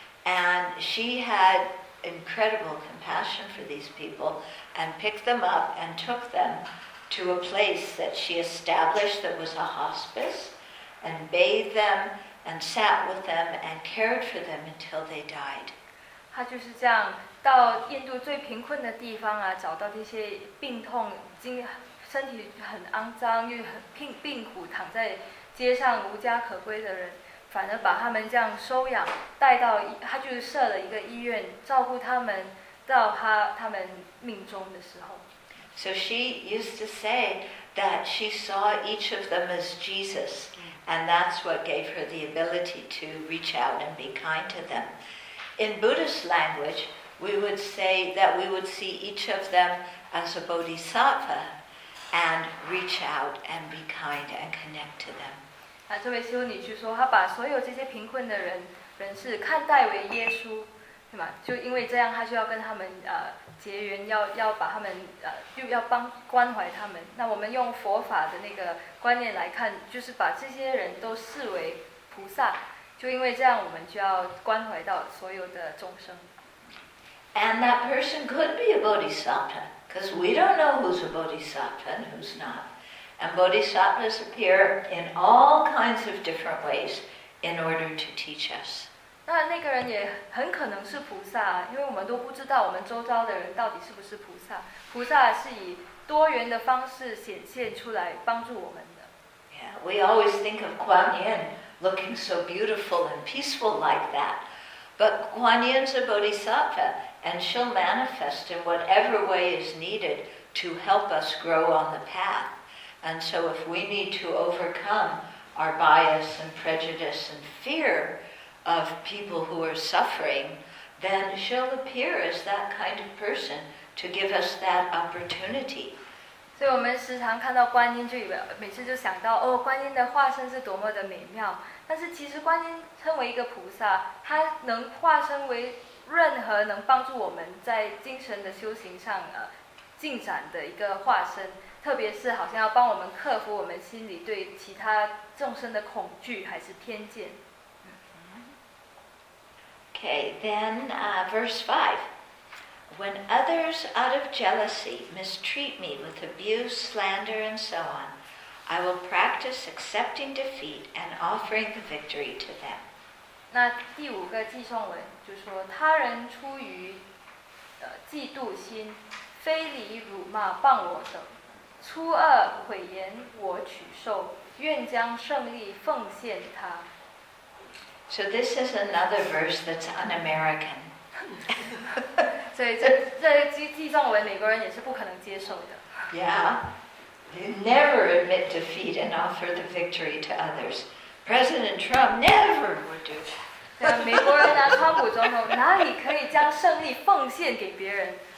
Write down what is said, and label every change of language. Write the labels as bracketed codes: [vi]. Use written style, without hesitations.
[en] And she had incredible compassion for these people and picked them up and took them to a place that she established that was a hospice and bathed them and sat with them and cared for them until they died. [zh] 她就是这样到印度最贫困的地方啊，找到这些病痛经身体很肮脏又很 病苦躺在街上无家可归的人反而把他们这样收养带到他就设了一个医院照顾他们到 他们命中的时候 [en] So she used to say that she saw each of them as Jesus and that's what gave her the ability to reach out and be kind to them In Buddhist language we would say that we would see each of them as a bodhisattva and reach out and be kind and connect to them. [zh] 那这位修女就说，她把所有这些贫困的人士看待为耶稣，对吗？就因为这样，她就要跟他们结缘，要把他们又要帮关怀他们。那我们用佛法的那个观念来看，就是把这些人都视为菩萨。就因为这样，我们就要关怀到所有的众生。 [en] And that person could be a bodhisattva. Because we don't know who's a bodhisattva and who's not. And bodhisattvas appear in all kinds of different ways in order to teach us. [zh] 那个人也很可能是菩萨，因为我们都不知道我们周遭的人到底是不是菩萨。菩萨是以多元的方式显现出来帮助我们的。 [en] Yeah, we always think of Kuan Yin looking so beautiful and peaceful like that. But Kuan Yin's a bodhisattva. And she'll manifest in whatever way is needed to help us grow on the path. And so if we need to overcome our bias and prejudice and fear of people who are suffering, then she'll appear as that kind of person to give us that opportunity. [zh] 所以我们时常看到观音就以为每次就想到哦，观音的化身是多么的美妙。但是其实观音称为一个菩萨，她能化身为任何能帮助我们在精神的修行上进展的一个化身，特别是好像要帮我们克服我们心里对其他众生的恐惧还是偏见。 [en] Okay, then verse 5. When others out of jealousy mistreat me with abuse, slander, and so on, I will practice accepting defeat and offering the victory to them. [zh] 那第五个记诵文就说，他人出于嫉妒心，非礼辱骂谤我等，粗恶毁言我取受，愿将胜利奉献他。 [en] So this is another verse that's un-American. [zh] 所以这记诵文美国人也是不可能接受的。 [en] Yeah, you never admit defeat and offer the victory to others. President Trump never would do that. [zh] 美国人啊，川普总统哪里可以将胜利奉献给别人？